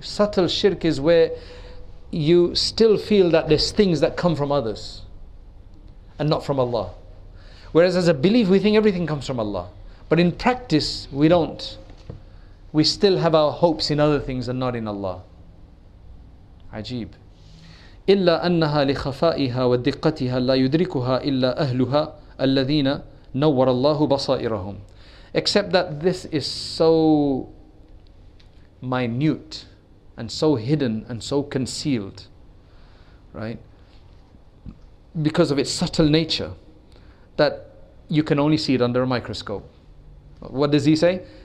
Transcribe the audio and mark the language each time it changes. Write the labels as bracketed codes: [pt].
[en] Subtle shirk is where you still feel that there's things that come from others and not from Allah. Whereas as a belief, we think everything comes from Allah. But in practice, we don't. We still have our hopes in other things and not in Allah. [ar] Ajib. إلا أنها لخفائها ودقتها لا يدركها إلا أهلها الذين نور الله بصائرهم. [en] Except that this is so minute and so hidden and so concealed, right? Because of its subtle nature, that you can only see it under a microscope. What does he say?